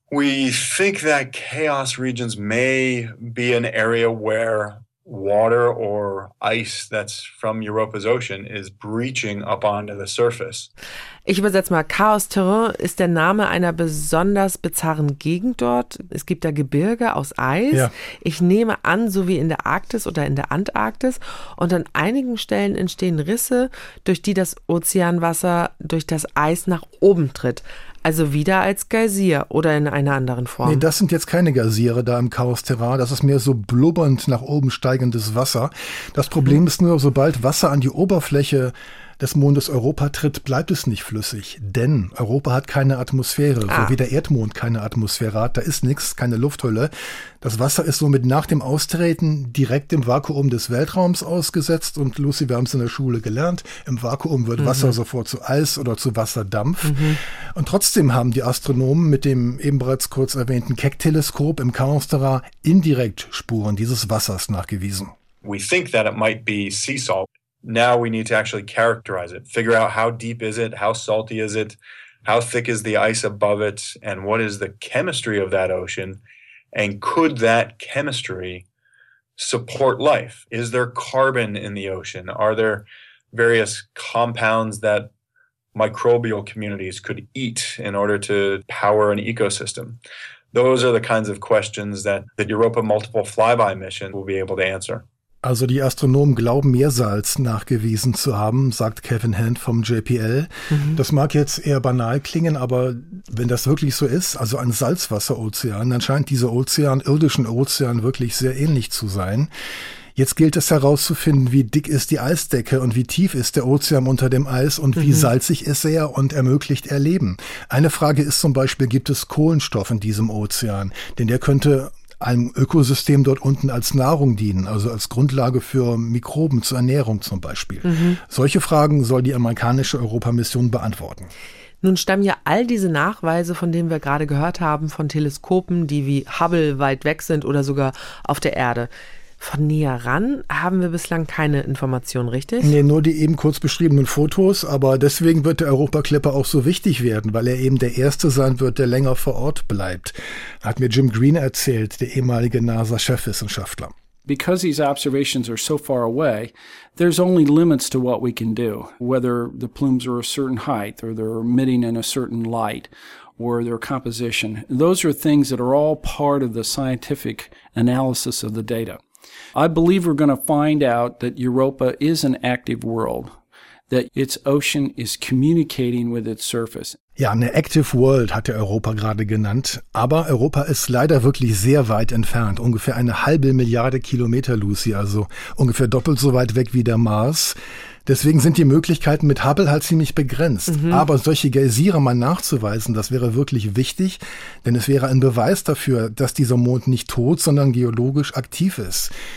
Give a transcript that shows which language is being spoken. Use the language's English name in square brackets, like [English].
[English] We think that chaos regions may be an area where water or ice that's from Europa's ocean is breaching up onto the surface. [German] Ich übersetze mal, Chaos Terrain ist der Name einer besonders bizarren Gegend dort. Es gibt da Gebirge aus Eis. Ja. Ich nehme an, so wie in der Arktis oder in der Antarktis. Und an einigen Stellen entstehen Risse, durch die das Ozeanwasser durch das Eis nach oben tritt. Also wieder als Geysir oder in einer anderen Form. Nee, das sind jetzt keine Geysire da im Chaos Terrain. Das ist mehr so blubbernd nach oben steigendes Wasser. Das Problem ist nur, sobald Wasser an die Oberfläche des Mondes Europa tritt, bleibt es nicht flüssig, denn Europa hat keine Atmosphäre, so wie der Erdmond keine Atmosphäre hat. Da ist nichts, keine Lufthülle. Das Wasser ist somit nach dem Austreten direkt im Vakuum des Weltraums ausgesetzt. Und Lucy, wir haben es in der Schule gelernt, im Vakuum wird Wasser sofort zu Eis oder zu Wasserdampf. Mhm. Und trotzdem haben die Astronomen mit dem eben bereits kurz erwähnten Keck-Teleskop im Chaos Terrain indirekt Spuren dieses Wassers nachgewiesen. [English] we think that it might be sea salt. Now we need to actually characterize it, figure out how deep is it, how salty is it, how thick is the ice above it, and what is the chemistry of that ocean, and could that chemistry support life? Is there carbon in the ocean? Are there various compounds that microbial communities could eat in order to power an ecosystem? Those are the kinds of questions that the Europa Multiple Flyby mission will be able to answer. [German] Also die Astronomen glauben, Meersalz nachgewiesen zu haben, sagt Kevin Hand vom JPL. Mhm. Das mag jetzt eher banal klingen, aber wenn das wirklich so ist, also ein Salzwasserozean, dann scheint dieser Ozean, irdischen Ozean, wirklich sehr ähnlich zu sein. Jetzt gilt es herauszufinden, wie dick ist die Eisdecke und wie tief ist der Ozean unter dem Eis und wie salzig ist er und ermöglicht er Leben. Eine Frage ist zum Beispiel, gibt es Kohlenstoff in diesem Ozean? Denn der könnte einem Ökosystem dort unten als Nahrung dienen, also als Grundlage für Mikroben zur Ernährung zum Beispiel. Mhm. Solche Fragen soll die amerikanische Europamission beantworten. Nun stammen ja all diese Nachweise, von denen wir gerade gehört haben, von Teleskopen, die wie Hubble weit weg sind oder sogar auf der Erde. Von näher ran haben wir bislang keine Informationen, richtig? Nee, nur die eben kurz beschriebenen Fotos. Aber deswegen wird der Europa-Clipper auch so wichtig werden, weil er eben der erste sein wird, der länger vor Ort bleibt. Hat mir Jim Green erzählt, der ehemalige NASA-Chefwissenschaftler. [English] Because these observations are so far away, there's only limits to what we can do. Whether the plumes are a certain height or they're emitting in a certain light or their composition. Those are things that are all part of the scientific analysis of the data. I believe we're going to find out that Europa is an active world, that its ocean is communicating with its surface. [German] Ja, eine active world hat der Europa gerade genannt. Aber Europa ist leider wirklich sehr weit entfernt. Ungefähr eine halbe Milliarde Kilometer, Lucy, also ungefähr doppelt so weit weg wie der Mars. Deswegen sind die Möglichkeiten mit Hubble halt ziemlich begrenzt. Mhm. Aber solche Geysire mal nachzuweisen, das wäre wirklich wichtig, denn es wäre ein Beweis dafür, dass dieser Mond nicht tot, sondern geologisch aktiv ist.